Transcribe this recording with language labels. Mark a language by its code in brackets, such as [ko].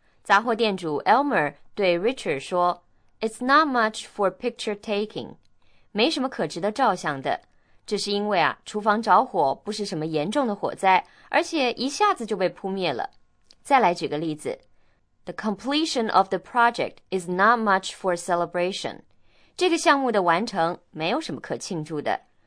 [zh] 杂货店主 Elmer 对 Richard 说 [en] It's not much for picture taking. [zh] 没什么可值得照相的。这是因为啊，厨房着火不是什么严重的火灾，而且一下子就被扑灭了。再来举个例子。 [en] The completion of the project is not much for celebration. [zh] 这个项目的完成没有什么可庆祝的。